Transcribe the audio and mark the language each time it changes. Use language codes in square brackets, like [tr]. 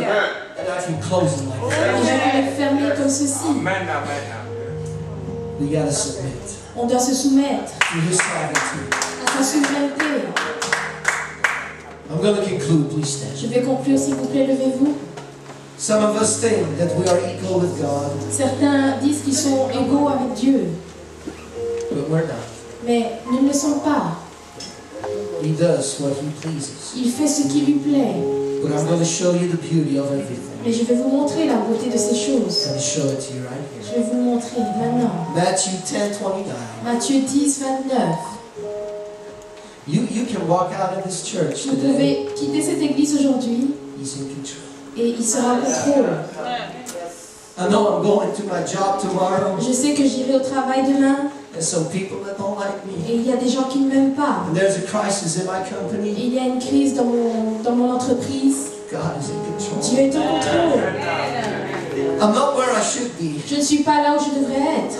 [en] And I can close them like that. [fr] Et je peux les fermer comme ceci. [en] Amen, amen. We gotta submit. [fr] On doit se soumettre. [en] To his sovereignty. [fr] À sa souveraineté. [en] I'm gonna conclude, please stand. [fr] Je vais conclure, s'il vous plaît, levez-vous. [en] Some of us think that we are equal with God. [fr] Certains disent qu'ils sont égaux avec Dieu. [en] But we're not. [fr] Mais nous ne le sommes pas. [en] He does what he pleases. [fr] Il fait ce qui lui plaît. [en] But I'm going to show you the beauty of everything. [fr] Mais je vais vous montrer la beauté de ces choses. [en] I'll show it to you right here. [fr] Je vais vous montrer maintenant. Matthieu 10:29. [en] You can walk out of this church [fr] vous [en] today. [fr] Pouvez quitter cette église aujourd'hui. [en] He's in control. [fr] Et il sera en contrôle. [en] I know I'm going to my job tomorrow. [fr] Je sais que j'irai au travail demain. [en] There's some people that don't like me. [fr] Et il y a des gens qui ne m'aiment pas. [en] And there's a crisis in my company. [fr] Il y a une crise dans mon entreprise. [en] God is in control. [fr] Dieu est en contrôle. [en] I'm not where I should be. [fr] Je ne suis pas là où je devrais être.